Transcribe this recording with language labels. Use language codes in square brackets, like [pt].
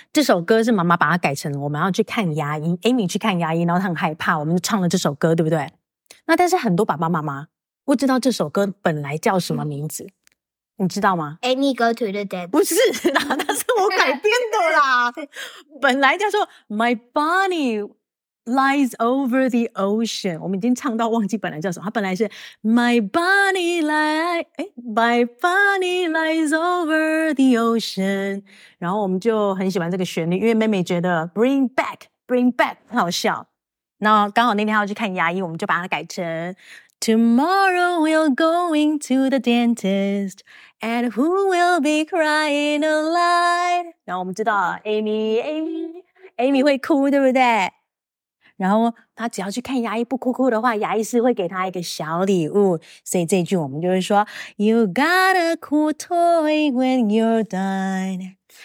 [zh] 这首歌是妈妈把它改成我们要去看牙医 ，Amy 去看牙医，然后她很害怕，我们就唱了这首歌，对不对？那但是很多爸爸妈妈不知道这首歌本来叫什么名字，你知道吗 [en] ？Amy go to the dance， [zh] 不是啦，那是我改编的啦。本来叫做 My Bunny。 [en] Lies over the ocean， [zh] 我们已经唱到忘记本来叫什么。它本来是 [en] My bunny lies， 哎 ，My bunny lies over the ocean。 [zh] 然后我们就很喜欢这个旋律，因为妹妹觉得 [en] Bring back [zh] 很好笑。那刚好那天要去看牙医，我们就把它改成 [en] Tomorrow we're going to the dentist， and who will be crying a lot？ [zh] 然后我们知道 Amy 会哭，对不对？然后他只要去看牙医不哭哭的话，牙医师会给他一个小礼物，所以这句我们就是说 [en] You got a cool toy when you're done